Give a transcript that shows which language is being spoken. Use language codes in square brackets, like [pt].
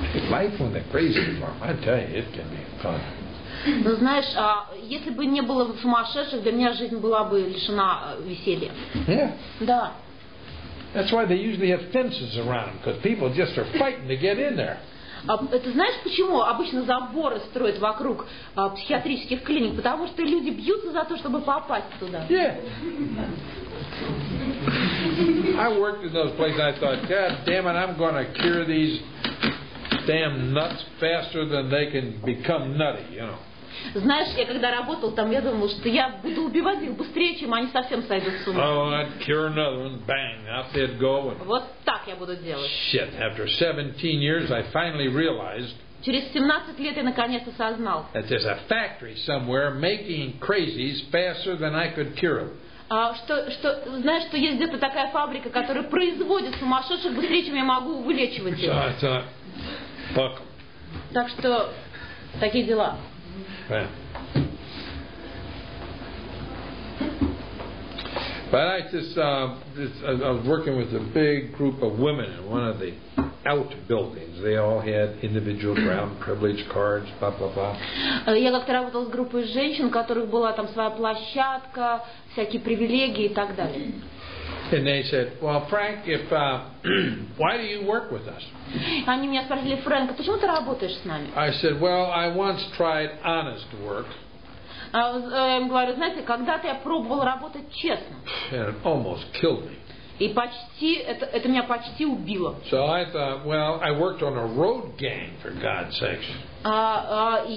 [en] Life when they're crazy, Mom, I tell you, it can be fun. [ru] Ну знаешь, а если бы не было сумасшедших, для меня жизнь была бы лишена веселья. [en] Yeah. [ru] Да. [en] That's why they usually have fences around, because people just are fighting to get in there. [ru] Это знаешь почему? Обычно заборы строят вокруг психиатрических клиник, потому что люди бьются за то, чтобы попасть туда. [en] Yeah. I worked in those places. I thought, God damn it, I'm going to cure these damn nuts faster than they can become nutty, you know. [ru] Знаешь, я когда работал там, я думал, что я буду убивать их быстрее, чем они совсем сойдут с ума. [en] Oh, I'd cure another one. Bang, out they'd go. [ru] Вот так я буду делать. [en] Shit, after 17 years, I finally realized. [ru] Через 17 лет я наконец осознал. [en] That there's a factory somewhere making crazies faster than I could cure them. [ru] Знаешь, что есть где-то такая фабрика, которая производит сумасшедших быстрее, чем я могу вылечивать их. [en] So I thought, fuck. [ru] Так что, такие дела. [en] But I just I was working with a big group of women in one of the outbuildings. They all had individual ground privilege cards, blah blah blah. [ru] Я как-то работал с группой женщин, у которых была там своя площадка, всякие привилегии и так далее. [en] And they said, "Well, Frank, if why do you work with us?" [ru] Они меня спросили, Фрэнк, почему ты работаешь с нами? [en] I said, "Well, I once tried honest work." [ru] Я говорю, знаете, когда-то я пробовал работать честно. [en] And it almost killed me. [ru] И почти это меня почти убило. [en] So I thought, "Well, I worked on a road gang, for God's sakes."